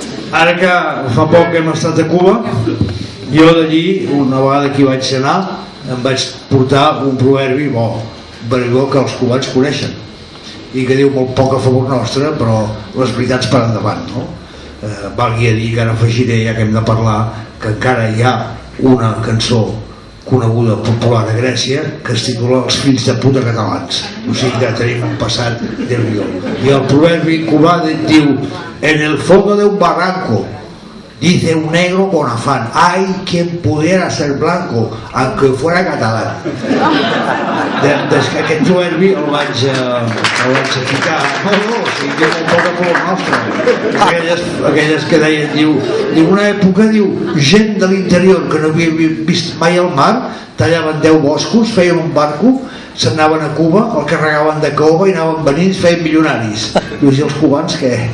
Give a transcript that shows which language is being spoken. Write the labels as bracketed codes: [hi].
[ca] Ara que fa poc hem estat a Cuba, jo d'allí, una vegada que hi vaig anar, em vaig portar un proverbi bo, bo que els cubans coneixen, i que diu molt poc a favor nostre, però les veritats per endavant, no? Valgui a dir que ara afegiré, ja que hem de parlar, que encara hi ha una cançó coneguda popular a Grècia que es titula Els fills de puta catalans. O sigui que tenim un passat de lió. I el proverbi cubà diu: [es] en el fondo de un barranco dice un negro con afán, ay, quien pudiera ser blanco aunque fuera catalán. [ca] Des que aquest proverbi el vaig ficar, no, no, o sigui, que és un poc a nostre. Aquelles que deien, diu, en una època, diu, gent de l'interior que no havia vist mai el mar, tallaven 10 boscos, feien un barco, s'anaven a Cuba, el carregaven de cova i anaven venint, feien milionaris. Diu, i els cubans què?